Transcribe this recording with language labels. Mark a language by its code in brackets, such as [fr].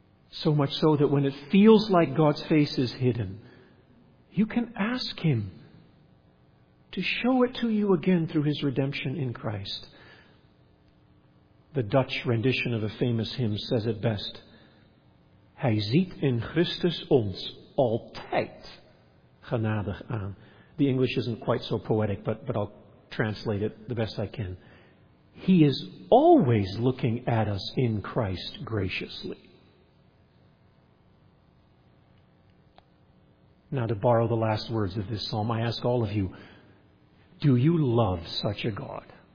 [en] So much so that when it feels like God's face is hidden, you can ask him to show it to you again through his redemption in Christ. The Dutch rendition of a famous hymn says it best. [nl] Hij ziet in Christus ons altijd genadig aan. [en] The English isn't quite so poetic, but I'll translate it the best I can. He is always looking at us in Christ graciously. Now, to borrow the last words of this psalm, I ask all of you, do you love such a God?